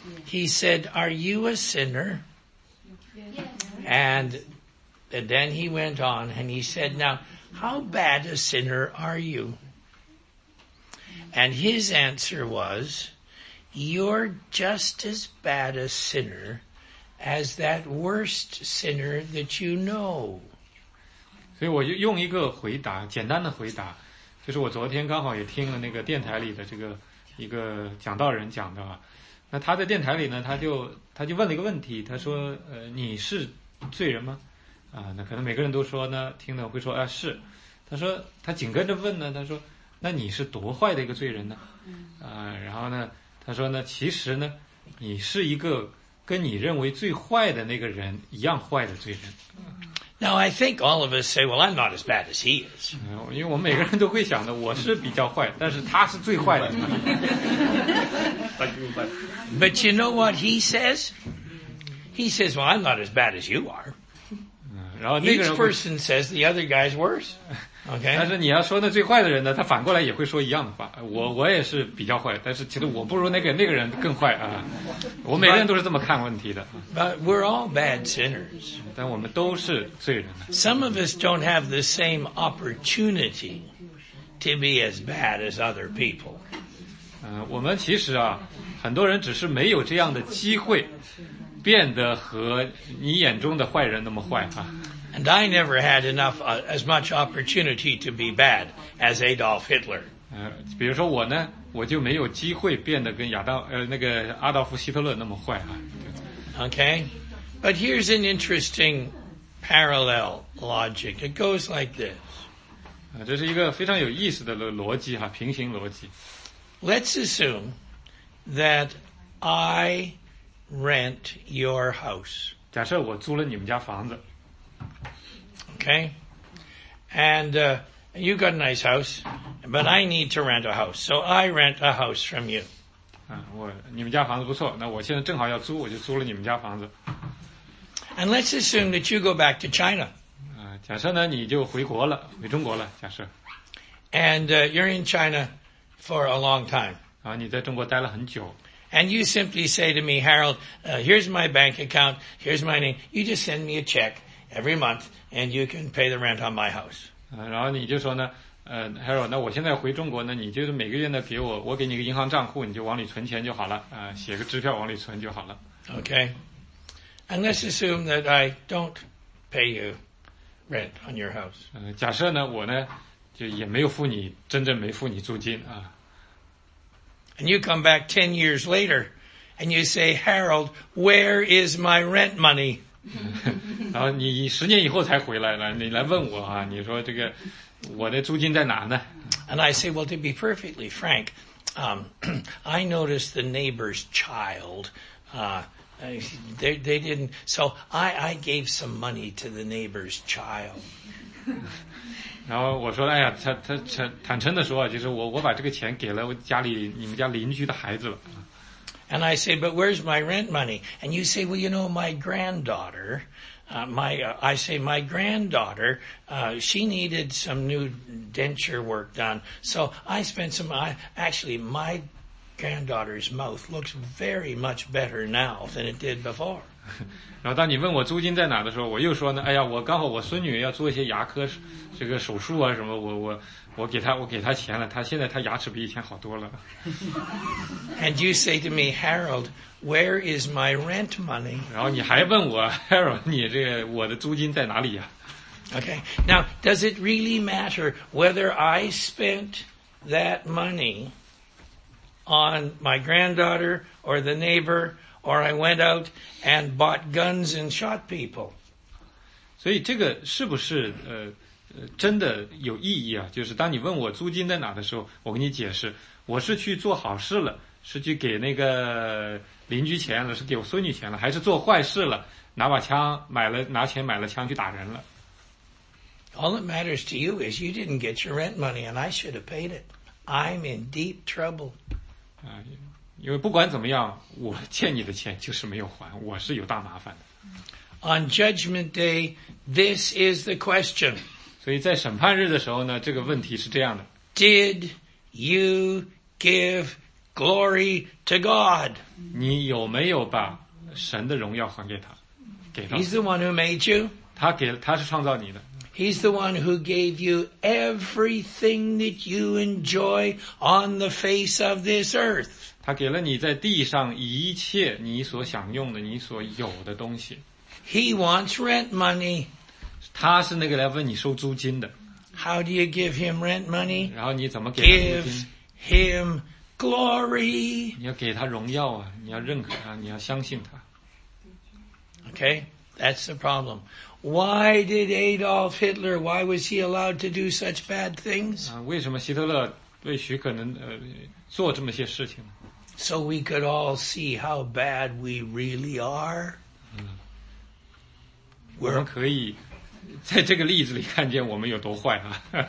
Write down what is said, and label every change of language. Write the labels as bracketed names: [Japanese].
[English] He said, "Are you a sinner?" And then he went on and he said, "Now, how bad a sinner are you?" And his answer was, "You're just as bad a sinner as that worst sinner that you know." [Chinese] 所以我就用一个回答，简单的回答，就是我昨天刚好也听了那个电台里的这个一个讲道人讲的嘛。那他在电台里呢，他就问了一个问题，他说：“你是罪人吗？” 啊，那可能每个人都说呢，听的会说啊是。他说，他紧跟着问呢，他说，那你是多坏的一个罪人呢？然后呢，他说呢，其实呢，你是一个跟你认为最坏的那个人一样坏的罪人。 [English] Now I think all of us say, well, I'm not as bad as he is. [Chinese] 因为我们每个人都会想的，我是比较坏，但是他是最坏的。 [English] But you know what he says? He says, well, I'm not as bad as you are. Each person says the other guy's worse. Okay. [Chinese] 但是你要说那最坏的人呢，他反过来也会说一样的话。我也是比较坏，但是其实我不如那个人更坏啊。我每个人都是这么看问题的。 [English] But we're all bad sinners. [Chinese] 但我们都是罪人。 [English] Some of us don't have the same opportunity to be as bad as other people. [Chinese] 我们其实啊，很多人只是没有这样的机会。变得和你眼中的坏人那么坏啊。 [English] And I never had enough, as much opportunity to be bad as Adolf Hitler. [Chinese] 比如说我呢，我就没有机会变得跟阿道夫希特勒那么坏啊。 [English] Okay. But here's an interesting parallel logic. It goes like this. [Chinese] 这是一个非常有意思的逻辑啊，平行逻辑。 [English] Let's assume that I rent your house. [Chinese] 假设我租了你们家房子。 [English] Okay. And, you got a nice house, but I need to rent a house. So I rent a house from you. [Chinese] 你们家房子不错，那我现在正好要租，我就租了你们家房子。 [English] And let's assume that you go back to China. [Chinese] 假设呢，你就回国了，回中国了，假设。 [English] And, you're in China for a long time. [Chinese] 你在中国待了很久。 [English] And you simply say to me, Harold, here's my bank account, here's my name, you just send me a check every month and you can pay the rent on my house. [Chinese] 然后你就说呢，Harold, 那我现在回中国呢，你就是每个月呢给我给你个银行账户，你就往里存钱就好了，写个支票往里存就好了。 [English] Okay. And let's assume that I don't pay you rent on your house. [Chinese] 假设呢，我呢，就也没有付你，真正没付你租金啊。 [English] And you come back 10 years later, and you say, Harold, where is my rent money? [Chinese] 然后你十年以后才回来了，你来问我啊，你说这个我的租金在哪呢？ [English] And I say, well, to be perfectly frank, I noticed the neighbor's child, they didn't, so I gave some money to the neighbor's child. [Chinese] 然后我说，哎呀，他坦诚的说，就是我把这个钱给了家里你们家邻居的孩子了。 [English] And I say, but where's my rent money? And you say, well, you know, my granddaughter, my granddaughter, she needed some new denture work done. So I spent some. Actually, my granddaughter's mouth looks very much better now than it did before. [Chinese] 然后当你问我租金在哪的时候，我又说呢，哎呀，我刚好我孙女要做一些牙科这个手术啊什么，我给她钱了，她现在她牙齿比以前好多了。 [English] And you say to me, Harold, where is my rent money? [Chinese] 然后你还问我 ，Harold， 你这个我的租金在哪里呀 [English] ？Okay, now does it really matter whether I spent that money on my granddaughter or the neighbor？ Or I went out and bought guns and shot people. [Chinese] 所以这个是不是真的有意义啊？就是当你问我租金在哪的时候，我给你解释，我是去做好事了，是去给那个邻居钱了，是给我孙女钱了，还是做坏事了，拿把枪买了，拿钱买了枪去打人了。 [English] All that matters to you is you didn't get your rent money and I should have paid it. I'm in deep trouble. [Chinese] 因为不管怎么样，我欠你的钱就是没有还，我是有大麻烦的。 [English] On judgment day, this is the question. [Chinese] 所以在审判日的时候呢，这个问题是这样的。 [English] Did you give glory to God? [Chinese] 你有没有把神的荣耀还给他？给他。 [English] He's the one who made you. [Chinese] 他是创造你的。 [English] He's the one who gave you everything that you enjoy on the face of this earth. [Chinese] 他给了你在地上一切你所享用的，你所有的东西。 [English] He wants rent money. [Chinese] 他是那个来问你收租金的。 [English] How do you give him rent money? [Chinese] 然后你怎么给他租金？ [English] Give him glory. [Chinese] 你要给他荣耀啊，你要认可他，你要相信他。 [English] Okay, that's the problem. Why did Adolf Hitler, why was he allowed to do such bad things? [Chinese] 为什么希特勒被许可能做这么些事情？ [English] So we could all see how bad we really are. [Chinese] 我们可以在这个例子里看见我们有多坏啊。